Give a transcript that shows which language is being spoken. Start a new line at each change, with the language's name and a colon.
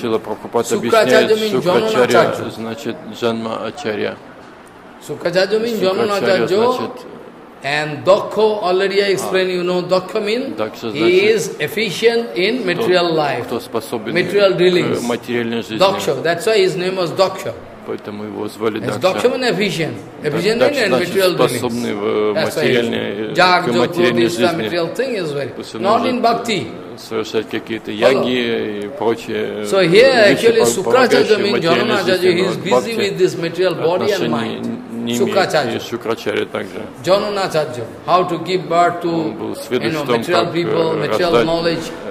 English: Sukracharya means Janmacharya. Sukracharya means Janmacharya. And Dakha, already I explained, you know, Dakha means he is efficient in material life, material dealings. Dakha, that's why his name was Dakha.
Russian: Поэтому его звали Дакша.
English: Дакша means efficient. Efficient in and material
Russian: способный в материальной, к материальной жизни.
English: Not in bhakti.
Russian: Совершать какие-то яги и прочее.
English: So here actually Sukracharya means Jananacharya. He is busy with this material body and mind. Sukracharya. Sukracharya также. Jananacharya. How to give birth to, you know, material people, material knowledge.